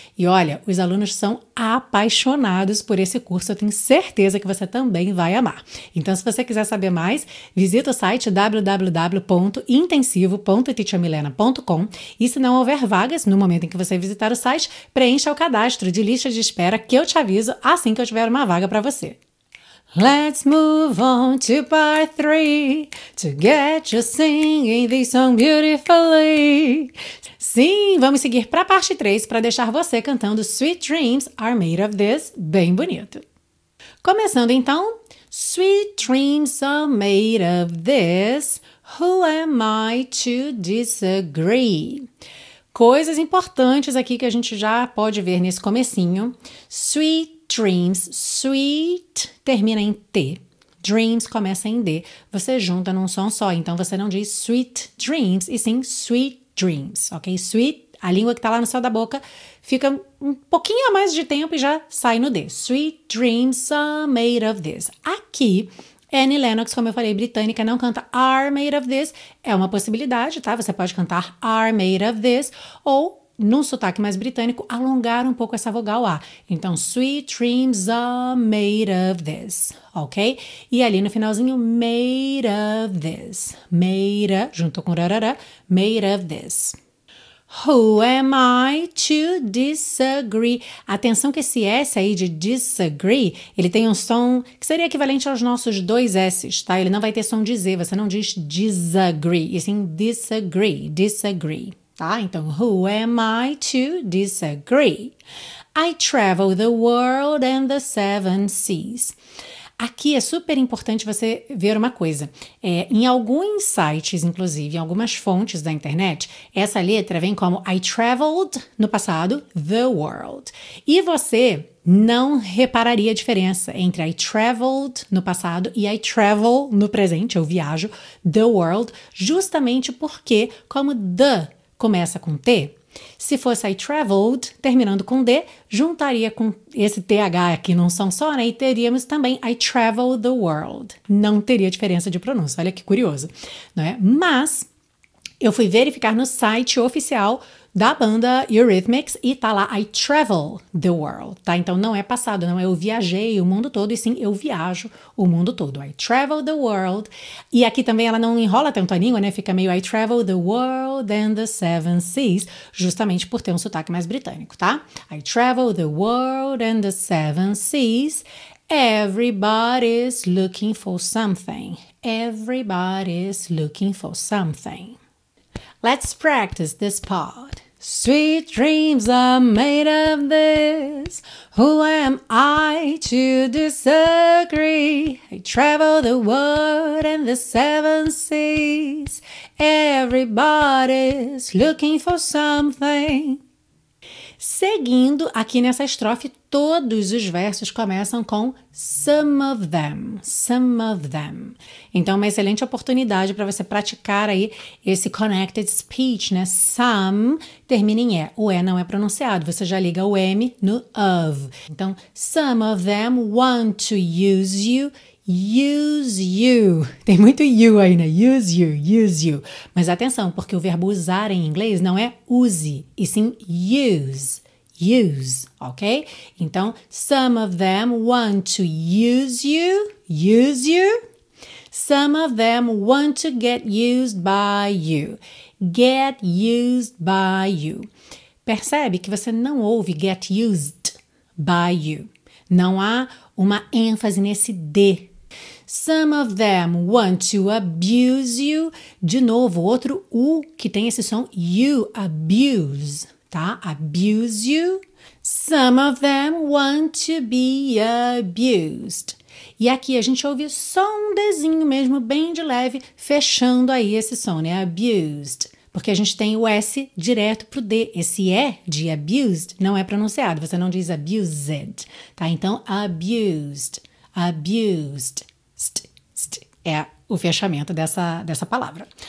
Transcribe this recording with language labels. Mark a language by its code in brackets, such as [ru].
[pt] E olha, os alunos são apaixonados por esse curso, eu tenho certeza que você também vai amar. Então, se você quiser saber mais, visita o site www.intensivo.teachermilena.com e se não houver vagas, no momento em que você visitar o site, preencha o cadastro de lista de espera que eu te aviso assim que eu tiver uma vaga para você. [en] Let's move on to part 3 to get you singing this song beautifully. [pt] Sim, vamos seguir para a parte 3 para deixar você cantando Sweet Dreams Are Made of This bem bonito. Começando então, Sweet Dreams Are Made of This. [en] Who am I to disagree? [pt] Coisas importantes aqui que a gente já pode ver nesse comecinho. Sweet dreams, sweet termina em T. Dreams começa em D. Você junta num som só, então você não diz sweet dreams, e sim sweet dreams, ok? Sweet, a língua que tá lá no céu da boca, fica um pouquinho a mais de tempo e já sai no D. [en] Sweet dreams are made of this. [pt] Aqui, Annie Lennox, como eu falei, britânica, não canta [en] are made of this. [pt] É uma possibilidade, tá? Você pode cantar [en] are made of this. [pt] Ou, num sotaque mais britânico, alongar um pouco essa vogal A. [en] Então, sweet dreams are made of this. Ok? [pt] E ali no finalzinho, [en] made of this. [pt] Made, junto com rarara, made of this. [en] Who am I to disagree? [pt] Atenção que esse S aí de disagree, ele tem um som que seria equivalente aos nossos dois S, tá? Ele não vai ter som de Z, você não diz disagree, e sim disagree, disagree, tá? [en] Então, who am I to disagree? I travel the world and the seven seas. [pt] Aqui é super importante você ver uma coisa. Em alguns sites, inclusive, em algumas fontes da internet, essa letra vem como [en] I traveled, [pt] no passado, the world. E você não repararia a diferença entre I traveled no passado e I travel no presente, eu viajo, the world, justamente porque, como the começa com T, se fosse I traveled, terminando com D, juntaria com esse TH aqui num som só, né? E teríamos também [en] I travel the world. [pt] Não teria diferença de pronúncia. Olha que curioso, não é? Mas eu fui verificar no site oficial da banda Eurythmics e tá lá [en] I travel the world, [pt] tá? Então não é passado, não é eu viajei o mundo todo e sim eu viajo o mundo todo. [en] I travel the world. [pt] E aqui também ela não enrola tanto a língua, né? Fica meio [en] I travel the world and the seven seas, [pt] justamente por ter um sotaque mais britânico, tá? [en] I travel the world and the seven seas. Everybody's looking for something. Everybody's looking for something. Let's practice this part. Sweet dreams are made of this. Who am I to disagree? I travel the world and the seven seas. Everybody's looking for something. [pt] Seguindo aqui nessa estrofe, todos os versos começam com [en] some of them, some of them. [pt] Então, uma excelente oportunidade para você praticar aí esse connected speech, né? Some termina em E. O E não é pronunciado, você já liga o M no of. Então, [en] some of them want to use you. use you. [pt] Tem muito [en] you aí, né? Use you, use you. [pt] Mas atenção, porque o verbo usar em inglês não é use, e sim use, use, ok? [en] Então, some of them want to use you, use you. Some of them want to get used by you. Get used by you. [pt] Percebe que você não ouve [en] get used by you. [pt] Não há uma ênfase nesse D. [en] Some of them want to abuse you. [pt] De novo, outro U que tem esse som you, abuse, tá? [en] Abuse you. Some of them want to be abused. [pt] E aqui a gente ouve só um Dzinho mesmo, bem de leve, fechando aí esse som, né? Abused. Porque a gente tem o S direto pro D. Esse E de abused não é pronunciado. Você não diz abused, tá? Então, abused, abused, st, st, é o fechamento dessa palavra.